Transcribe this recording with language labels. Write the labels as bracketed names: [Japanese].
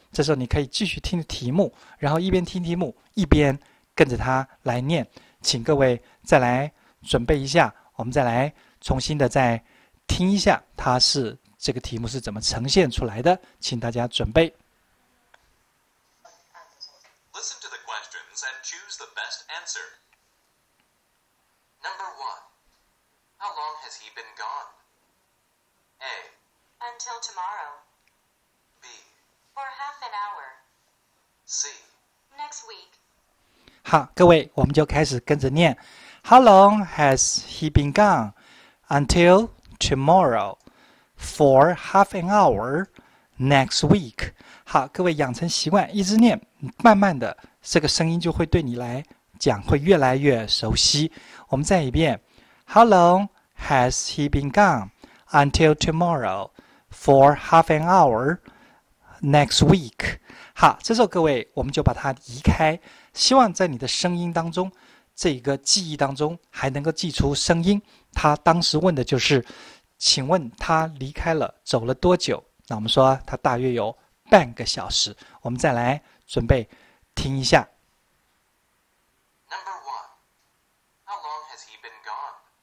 [Chinese] 这时候你可以继续听题目，然后一边听题目一边跟着它来念。请各位再来准备一下，我们再来重新的再听一下它是这个题目是怎么呈现出来的，请大家准备。 [English] Listen to the questions and choose the best answer. Number one. How long has he been gone? A. Until tomorrow. B. For half an hour. C. Next week. [Chinese] 好，各位，我们就开始跟着念。 [English] How long has he been gone? Until tomorrow. For half an hour. Next week. [Chinese] 好，各位养成习惯，一直念，慢慢的这个声音就会对你来讲会越来越熟悉。我们再一遍 [English] How long has he been gone? Until tomorrow. For half an hour. Next week. [Chinese] 好，这时候各位我们就把它移开，希望在你的声音当中，这个记忆当中还能够记出声音。他当时问的就是，请问他离开了走了多久？那我们说他大约有半个小时。我们再来准备听一下。 [English] Number one, how long has he been gone?